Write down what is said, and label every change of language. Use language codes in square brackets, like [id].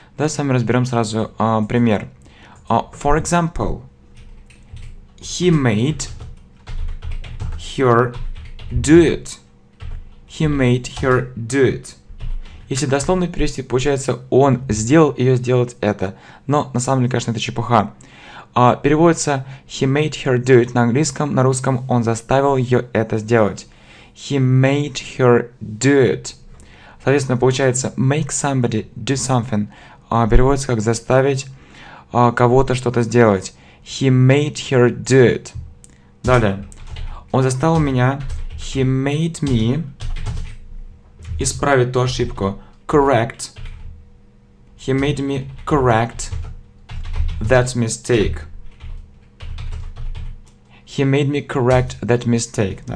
[ru] Давай с вами разберем сразу пример. [en] For example, he made her do it. He made her do it. [ru] Если дословно перевести, получается, он сделал ее сделать это. Но на самом деле, конечно, это чепуха. Переводится [en] he made her do it [ru] на английском, на русском он заставил ее это сделать. [en] He made her do it. [ru] Соответственно, получается [en] make somebody do something. [ru] Переводится как заставить кого-то что-то сделать. [en] He made her do it. [ru] Далее. Он заставил меня. [en] He made me [ru] исправить ту ошибку. [en] Correct. He made me correct that mistake. He made me correct that mistake.